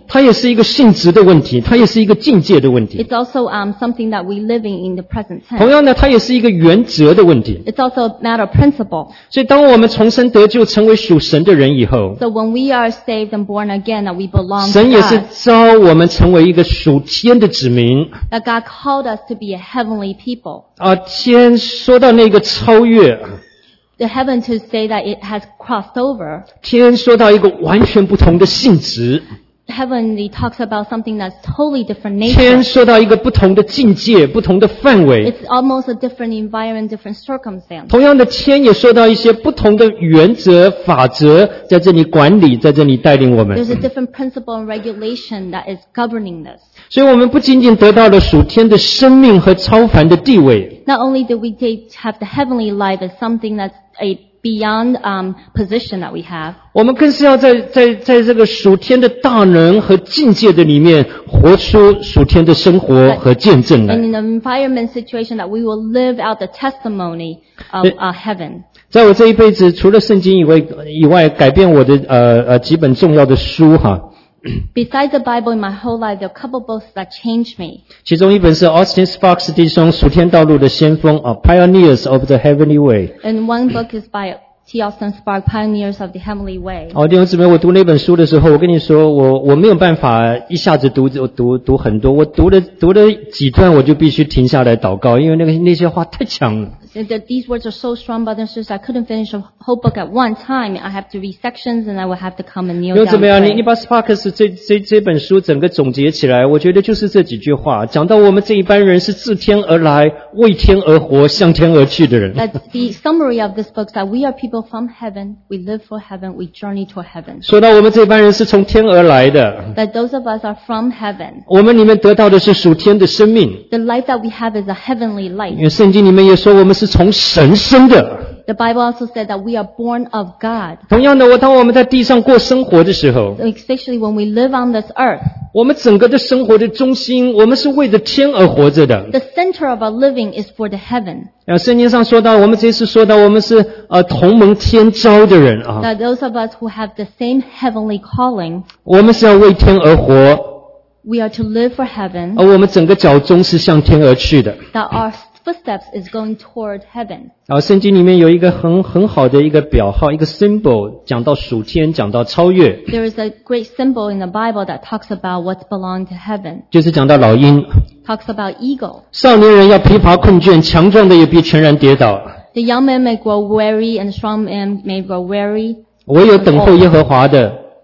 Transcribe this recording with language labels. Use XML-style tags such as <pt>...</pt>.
<zh>它也是一个性质的问题，它也是一个境界的问题。</zh> <en>It's also something that we live in the present tense.</en> <zh>同样呢，它也是一个原则的问题。</zh> <en>It's also a matter of principle.</en> <zh>所以，当我们重生得救，成为属神的人以后</zh> <en>，So when we are saved and born again, that we belong to God.</en> <zh>神也是召我们成为一个属天的子民。</zh> <en>That God called us to be a heavenly people.</en> <zh>啊，天说到那个超越。</zh> <en>The heaven to say that it has crossed over.</en> <zh>天说到一个完全不同的性质。</zh> <en>Heaven talks about something that's totally different nature.</en> <zh>天说到一个不同的境界，不同的范围。</zh> <en>It's almost a different environment, different circumstance.</en> <zh>同样的，天也说到一些不同的原则、法则，在这里管理，在这里带领我们。</zh> <en>There's a different principle and regulation that is governing this.</en> <zh>所以我们不仅仅得到了属天的生命和超凡的地位。</zh> <en>Not only do we have the heavenly life as something that's a beyond position that we have.</en> <zh>我们更是要在这个属天的大能和境界的里面活出属天的生活和见证来。</zh> <en>In an environment situation that we will live out the testimony of heaven.</en> <zh>在我这一辈子除了圣经以外改变我的几本重要的书哈。</zh> <en>Besides the Bible, in my whole life, there are a couple of books that changed me.</en> <zh>其中一本是 Austin Fox 弟兄《属天道路的先锋》Pioneers of the Heavenly Way.</zh> <en>And one book is by T. Austin Fox, Pioneers of the Heavenly Way.</en> <zh>弟兄姊妹，我读那本书的时候，我跟你说，我没有办法一下子读很多，我读了几段，我就必须停下来祷告，因为那些话太强了。</zh> <en>That these words are so strong, but since I couldn't finish a whole book at one time, I have to read sections, and I will have to come and kneel down.</en> <zh>怎么样？你把 Sparks 这本书整个总结起来，我觉得就是这几句话，讲到我们这一般人是自天而来，为天而活，向天而去的人。</zh> <en>The summary of this book is that we are people from heaven, we live for heaven, we journey toward heaven.</en> <zh>说到我们这一般人是从天而来的。</zh> <en>That those of us are from heaven.</en> <zh>我们里面得到的是属天的生命。</zh> <en>The life that we have is a heavenly life.</en> <zh>因为圣经里面也说我们是从神生的。</zh> <en>The Bible also said that we are born of God.</en> <zh>同样的，当我们在地上过生活的时候</zh> <en>，especially when we live on this earth，</en> <zh>我们整个的生活的中心，我们是为着天而活着的。</zh> <en>The center of our living is for the heaven.</en> <zh>圣经上说到，我们这次说到，我们是同蒙天召的人啊。</zh> <en>That those of us who have the same heavenly calling，</en> <zh>我们是要为天而活。</zh> <en>We are to live for heaven.</en> <zh>而我们整个脚踪是向天而去的。</zh> <en>That our footsteps is going toward heaven.</en> <zh>圣经里面有一个很好的一个表号，一个 symbol， 讲到属天，讲到超越。</zh> <en>There is a great symbol in the Bible that talks about what belongs to heaven.</en> <zh>就是讲到老鹰。</zh> <en>Talks about eagle.</en> <zh>少年人要疲乏困倦，强壮的也必全然跌倒。</zh> <en>The young man may grow weary, and the strong man may grow weary.</en> <zh>唯有等候耶和华的。</zh>